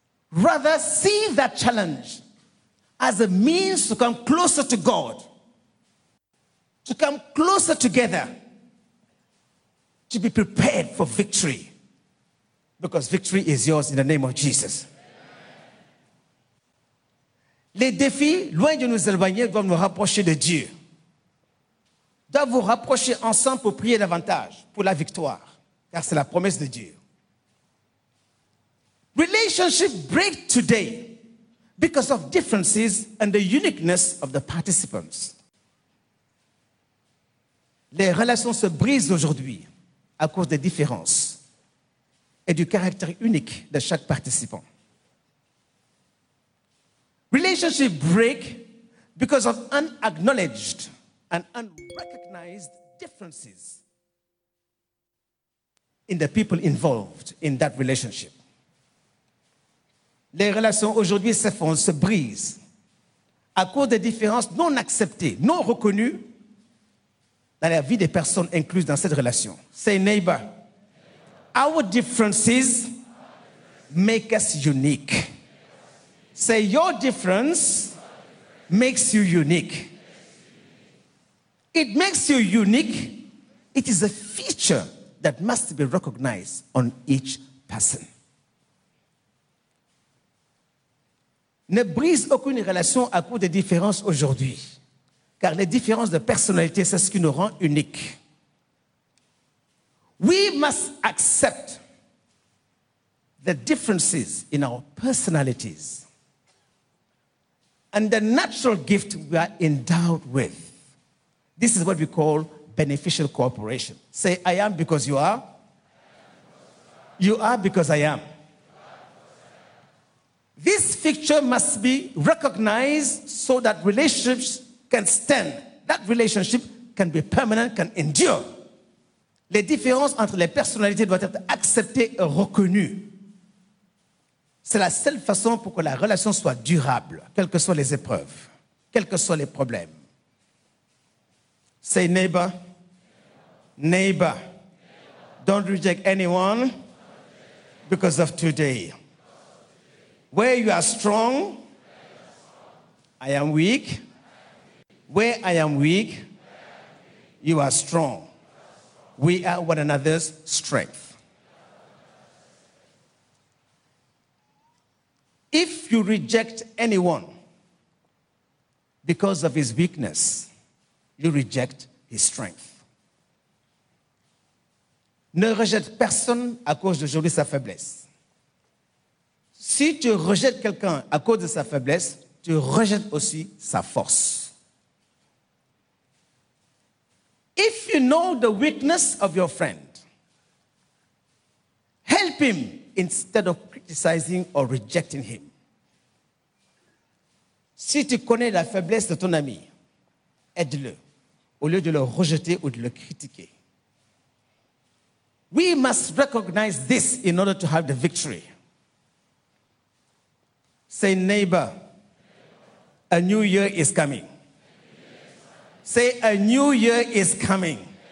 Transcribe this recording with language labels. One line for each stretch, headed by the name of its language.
English: Rather, see that challenge as a means to come closer to God, to come closer together, to be prepared for victory, because victory is yours in the name of Jesus.
French: Les défis, loin de nous éloigner, doivent nous rapprocher de Dieu. Doivent vous rapprocher ensemble pour prier davantage pour la victoire, car c'est la promesse de Dieu.
English: Relationship break today because of differences and the uniqueness of the participants.
French: Les relations se brisent aujourd'hui à cause des différences et du caractère unique de chaque participant.
English: Relationship break because of unacknowledged and unrecognized differences in the people involved in that relationship.
French: Les relations aujourd'hui s'effondrent, se brisent à cause des différences non acceptées, non reconnues dans la vie des personnes incluses dans cette relation.
English: Say, neighbor, our differences make us unique. Say, your difference makes you unique. It makes you unique. It is a feature that must be recognized on each person.
French: Ne brise aucune relation à cause des différences aujourd'hui, car les différences de personnalité, c'est ce qui nous rend uniques.
English: We must accept the differences in our personalities and the natural gift we are endowed with. This is what we call beneficial cooperation. Say, I am because you are. You are because I am. This feature must be recognized so that relationships can stand. That relationship can be permanent, can endure.
French: Les différences entre les personnalités doivent être acceptées et reconnues. C'est la seule façon pour que la relation soit durable, quelles que soient les épreuves, quels que soient les problèmes.
English: Say neighbor. Neighbor. Don't reject anyone because of today. Where you are strong, I am weak. Where I am weak, you are strong. We are one another's strength. If you reject anyone because of his weakness, you reject his strength.
French: Ne rejette personne à cause d'aujourd'hui sa faiblesse. Si tu rejettes quelqu'un à cause de sa faiblesse, tu rejettes aussi sa force.
English: If you know the weakness of your friend, help him instead of criticizing or rejecting him.
French: Si tu connais la faiblesse de ton ami, aide-le au lieu de le rejeter ou de le critiquer.
English: We must recognize this in order to have the victory. Say, neighbor, a new year is coming. Say, a new year is coming.